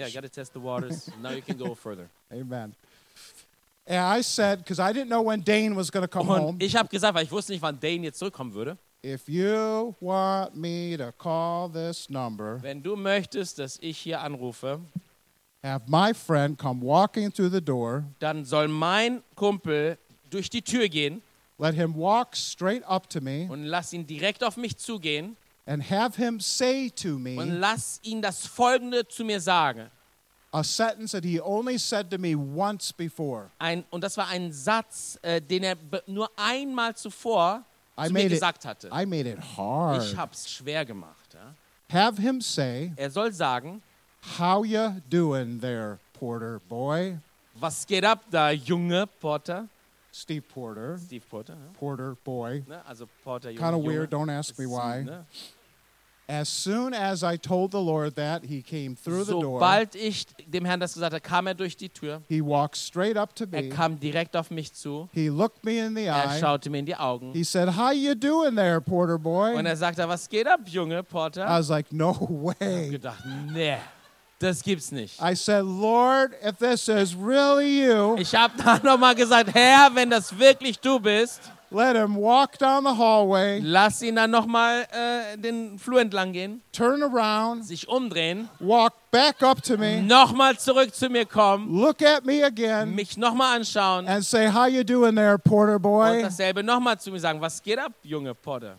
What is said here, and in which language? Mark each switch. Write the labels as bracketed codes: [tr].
[en] Yeah, you got to test the waters. Now you can go further. Amen. And I said, because I didn't know when Dane was going to come [de] und [en] home. [de] Ich habe gesagt, weil ich wusste nicht, wann Dane jetzt zurückkommen würde. [en] If you want me to call this number, [de] wenn du möchtest, dass ich hier anrufe, [en] have my friend come walking through the door, [de] dann soll mein Kumpel durch die Tür gehen. [en] Let him walk straight up to me. [de] Und lass ihn direkt auf mich zugehen. [en] And have him say to me. [de] Und lass ihn das Folgende zu mir sagen. [en] A sentence that he only said to me once before. [de] Und das war ein Satz, den er nur einmal zuvor zu mir gesagt hatte. [en] I made it hard. [de] Ich hab's schwer gemacht. Ja? [en] Have him say. [de] Er soll sagen. [en] How you doing there, Porter boy? [de] Was geht ab da, Junge Porter? [en] Steve Porter. [de] Steve Porter. Ja. [en] Porter boy. [de] Also Porter. [en] Kind of weird. Don't ask me why. As soon as I told the Lord that, he came through the door. [de] Sobald ich dem Herrn das gesagt habe, kam er durch die Tür. [en] He walked straight up to me. [de] Er kam direkt auf mich zu. [en] He looked me in the eye. [de] Er schaute mir in die Augen. [en] He said, "How you doing there, Porter boy?" [de] Und er sagte, was geht ab, Junge Porter? [en] I was like, "No way." [de] Ich gedacht, nee. Das gibt's nicht. [en] I said, "Lord, if this is really you." [de] Ich hab dann noch mal gesagt, Herr, wenn das wirklich du bist. [en] Let him walk down the hallway. [de] Lass ihn dann noch mal den Flur entlang gehen. [en] Turn around. [de] Sich umdrehen. [en] Walk back up to me. [de] Noch mal zurück zu mir kommen. [en] Look at me again. [de] Mich noch mal anschauen. [en] And say, "How you doing there, Porter boy?" [de] Und dasselbe noch mal zu mir sagen, was geht ab, Junge Porter?